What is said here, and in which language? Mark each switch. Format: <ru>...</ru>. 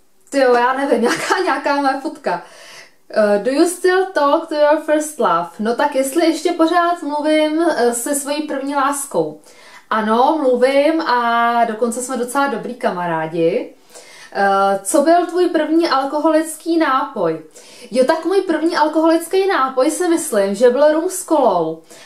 <cs>Tyjo, já nevím, nějaká moje fotka.</cs> <en>Do you still talk to your first love?</en> <cs>No tak jestli ještě pořád mluvím se svojí první láskou. Ano, mluvím a dokonce jsme docela dobrý kamarádi. Co byl tvůj první alkoholický nápoj? Jo, tak můj první alkoholický nápoj si myslím, že byl rum s kolou.</cs>